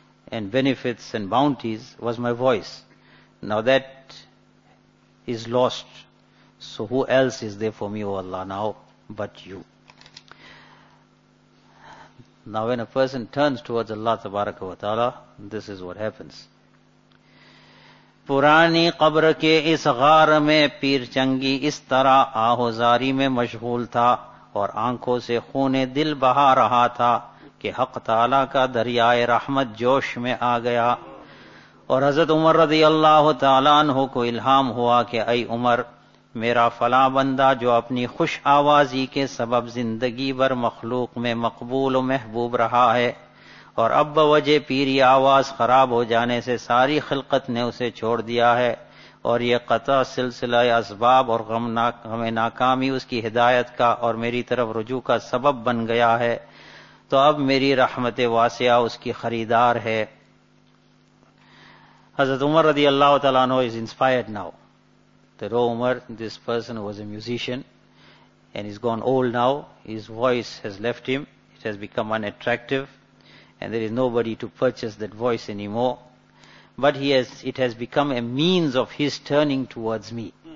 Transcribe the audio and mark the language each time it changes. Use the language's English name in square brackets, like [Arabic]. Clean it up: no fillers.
[English] and benefits and bounties was my voice. Now that is lost. So who else is there for me, O Allah, now but you? Now when a person turns towards Allah tabaraka wa ta'ala, this is what happens. [Urdu] پرانی قبر کے اس غار میں پیر چنگی اس طرح آہوزاری میں مشغول تھا اور آنکھوں سے خون دل بہا رہا تھا کہ حق تعالیٰ کا دریائے رحمت جوش میں آ گیا اور حضرت عمر رضی اللہ تعالیٰ عنہ کو الہام ہوا کہ اے عمر میرا فلا بندہ جو اپنی خوش آوازی کے سبب زندگی بر مخلوق میں مقبول و محبوب رہا ہے اور اب بوجہ پیری آواز خراب ہو جانے سے ساری خلقت نے اسے چھوڑ دیا ہے اور یہ قطع سلسلہ اسباب اور غم ناکامی اس کی ہدایت کا اور میری طرف رجوع کا سبب بن گیا ہے تو اب میری رحمت واسعہ اس کی خریدار ہے. [English] حضرت عمر رضی اللہ تعالیٰ عنہ is inspired now. That oh Umar, this person was a musician and he's gone old now. His voice has left him. It has become unattractive. And there is nobody to purchase that voice anymore. But it has become a means of his turning towards me.